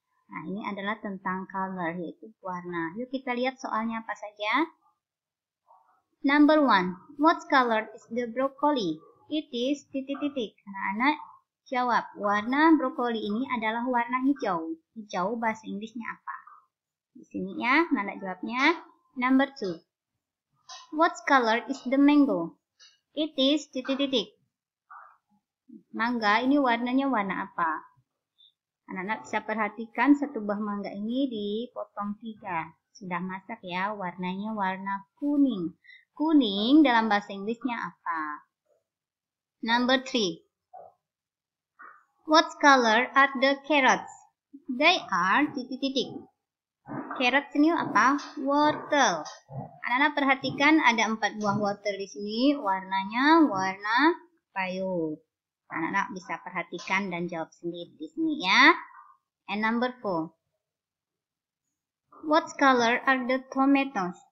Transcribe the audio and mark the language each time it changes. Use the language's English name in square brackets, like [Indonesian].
[Indonesian] Nah, ini adalah tentang color, yaitu warna. Yuk kita lihat soalnya apa saja. [English] Number 1, what color is the broccoli? It is [Indonesian] titik-titik. Anak-anak jawab, warna brokoli ini adalah warna hijau. Hijau bahasa Inggrisnya apa? Di sini ya, anak-anak jawabnya. [English] Number 2, what color is the mango? It is [Indonesian] titik-titik. Mangga ini warnanya warna apa? Anak-anak bisa perhatikan satu buah mangga ini dipotong 3. Sudah masak ya, warnanya warna kuning. Kuning dalam bahasa Inggrisnya apa? [English] Number 3. What color are the carrots? They are [Indonesian] titik-titik. Carrot ini apa? Wortel. Anak-anak perhatikan ada 4 buah wortel di sini. Warnanya warna payo. Anak-anak bisa perhatikan dan jawab sendiri di sini ya. [English] And number 4. What color are the tomatoes?